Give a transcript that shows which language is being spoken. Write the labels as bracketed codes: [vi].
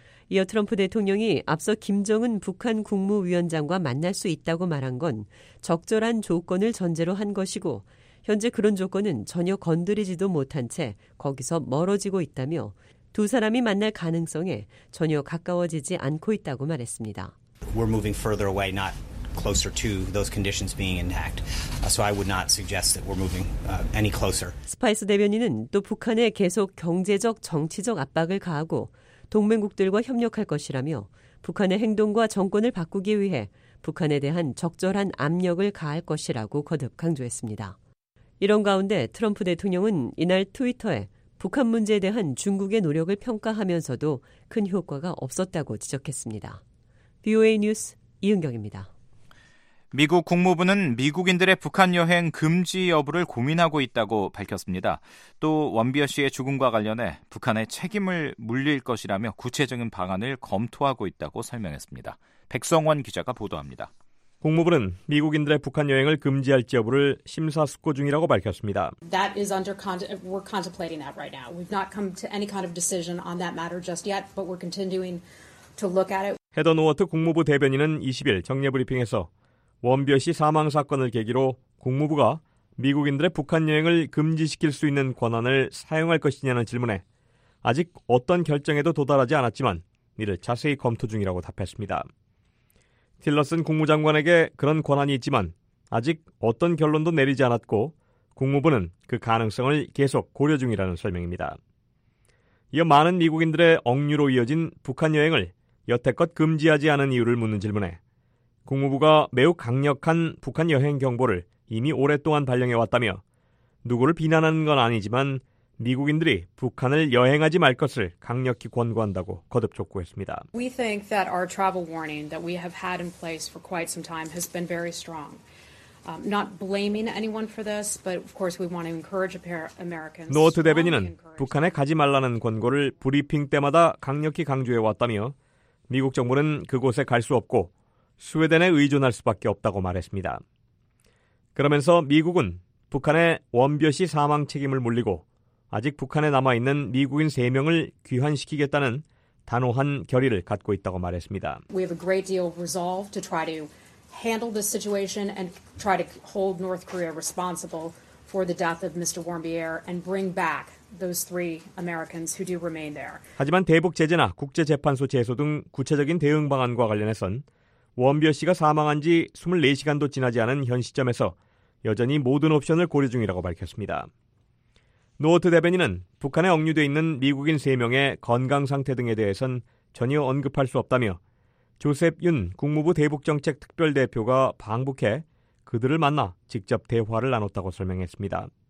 [ko] 이어 트럼프 대통령이 앞서 김정은 북한 국무위원장과 만날 수 있다고 말한 건 적절한 조건을 전제로 한 것이고 현재 그런 조건은 전혀 건드리지도 못한 채 거기서 멀어지고 있다며 두 사람이 만날 가능성에 전혀 가까워지지 않고 있다고 말했습니다. [en] We're moving further away, not closer to those conditions being intact. So I would not suggest that we're moving any closer. [ko] 스파이스 대변인은 또 북한에 계속 경제적, 정치적 압박을 가하고 동맹국들과 협력할 것이라며 북한의 행동과 정권을 바꾸기 위해 북한에 대한 적절한 압력을 가할 것이라고 거듭 강조했습니다. 이런 가운데 트럼프 대통령은 이날 트위터에 북한 문제에 대한 중국의 노력을 평가하면서도 큰 효과가 없었다고 지적했습니다. VOA 뉴스 이은경입니다. 미국 국무부는 미국인들의 북한 여행 금지 여부를 고민하고 있다고 밝혔습니다. 또 원비어 씨의 죽음과 관련해 북한의 책임을 물릴 것이라며 구체적인 방안을 검토하고 있다고 설명했습니다. 백성원 기자가 보도합니다. 국무부는 미국인들의 북한 여행을 금지할지 여부를 심사숙고 중이라고 밝혔습니다. [en] That is under we're contemplating that right now. We've not come to any kind of decision on that matter just yet, but we're continuing to look at it. [ko] 헤더 노워트 국무부 대변인은 20일 정례 브리핑에서 원비어 씨 사망 사건을 계기로 국무부가 미국인들의 북한 여행을 금지시킬 수 있는 권한을 사용할 것이냐는 질문에 아직 어떤 결정에도 도달하지 않았지만 이를 자세히 검토 중이라고 답했습니다. 틸러슨 국무장관에게 그런 권한이 있지만 아직 어떤 결론도 내리지 않았고 국무부는 그 가능성을 계속 고려 중이라는 설명입니다. 이어 많은 미국인들의 억류로 이어진 북한 여행을 여태껏 금지하지 않은 이유를 묻는 질문에 국무부가 매우 강력한 북한 여행 경보를 이미 오랫동안 발령해왔다며 누구를 비난하는 건 아니지만 미국인들이 북한을 여행하지 말 것을 강력히 권고한다고 거듭 촉구했습니다. [en] We think that our travel warning that we have had in place for quite some time has been very strong. Not blaming anyone for this, but of course we want to encourage Americans. [ko] 노어트 대변인은 북한에 가지 말라는 권고를 브리핑 때마다 강력히 강조해왔다며 미국 정부는 그곳에 갈 수 없고 스웨덴에 의존할 수밖에 없다고 말했습니다. 그러면서 미국은 북한에 원벼시 사망 책임을 물리고 아직 북한에 남아있는 미국인 3명을 귀환시키겠다는 단호한 결의를 갖고 있다고 말했습니다. [en] We have a great deal of resolve to try to handle this situation and try to hold North Korea responsible for the death of Mr. Warmbier and bring back those three Americans who do remain there. [ko] 하지만 대북 제재나 국제재판소 제소 등 구체적인 대응 방안과 관련해선 원벼 씨가 사망한 지 24시간도 지나지 않은 현 시점에서 여전히 모든 옵션을 고려 중이라고 밝혔습니다. 노어트 대변인은 북한에 억류돼 있는 미국인 3명의 건강 상태 등에 대해선 전혀 언급할 수 없다며 조셉 윤 국무부 대북정책특별대표가 방북해 그들을 만나 직접 대화를 나눴다고 설명했습니다.